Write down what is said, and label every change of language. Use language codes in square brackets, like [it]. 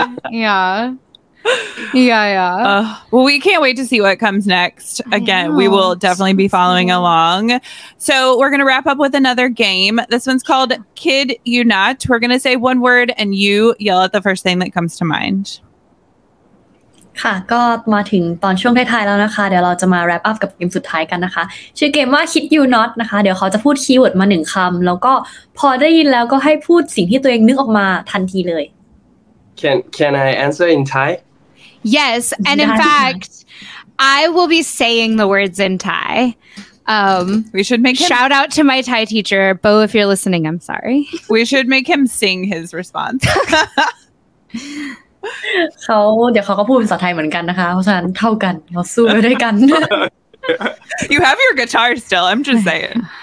[en] Yeah. Yeah. Well, we can't wait to see what comes next. Again, we will definitely be following along. So we're going to wrap up with another game. This one's called Kid You Not. We're going to say one word and you yell at the first thing that comes to mind. [th] ค่ะก็มาถึงตอนช่วงท้ายๆแล้วนะคะเดี๋ยวเราจะมา wrap up กับเกมสุดท้ายกันนะคะชื่อเกมว่า Kid You Not นะคะเดี๋ยวเขาจะพูดคีย์เวิร์ดมา1คำแล้วก็พอได้ยินแล้วก็ให้พูดสิ่งที่ตัวเองนึกออกมาทันทีเลย [en] Can I answer in Thai? Yes, and in fact, I will be saying the words in Thai. We should make him shout out to my Thai teacher, Bo, if you're listening, I'm sorry. We should make him sing his response. [th] เขาเดี๋ยวเขาก็พูดภาษาไทยเหมือนกันนะคะเพราะฉะนั้นเท่ากันเราสู้ไปด้วยกัน [en] You have your guitar still, I'm just saying.